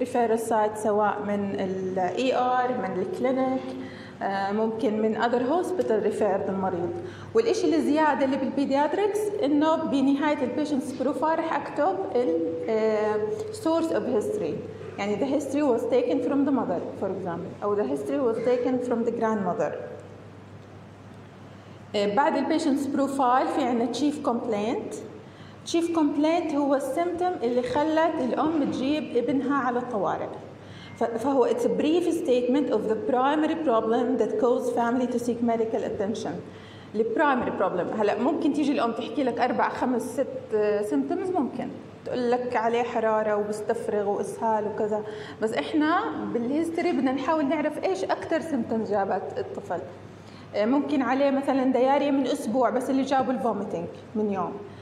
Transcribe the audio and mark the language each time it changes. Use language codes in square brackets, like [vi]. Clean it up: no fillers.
[en] referral site [ar] سواء من الـ ER، من الكلينيك، ممكن من [en] other hospital [ar] refer المريض. والإشي الزيادة اللي بالبيدياتريكس إنه بنهاية البيشنتس بروفايل رح أكتب الـ [en] source of history. [ar] يعني [en] the history was taken from the mother for example، [ar] أو [en] the history was taken from the grandmother. [ar] بعد البيشنتس بروفايل في عنا chief complaint. chief complaint هو السيمتم اللي خلت الأم تجيب ابنها على الطوارئ. فهو [en] it's a brief statement of the primary problem that caused family to seek medical attention. the primary problem. [ar] هلا ممكن تيجي الأم تحكي لك 4 5 6 symptoms، ممكن تقول لك عليه حرارة وبستفرغ وإسهال وكذا، بس إحنا بالهيستوري بدنا نحاول نعرف إيش أكتر symptoms جابت الطفل. ممكن عليه مثلا دياريا من أسبوع بس اللي جابوا الفوميتينج من يوم.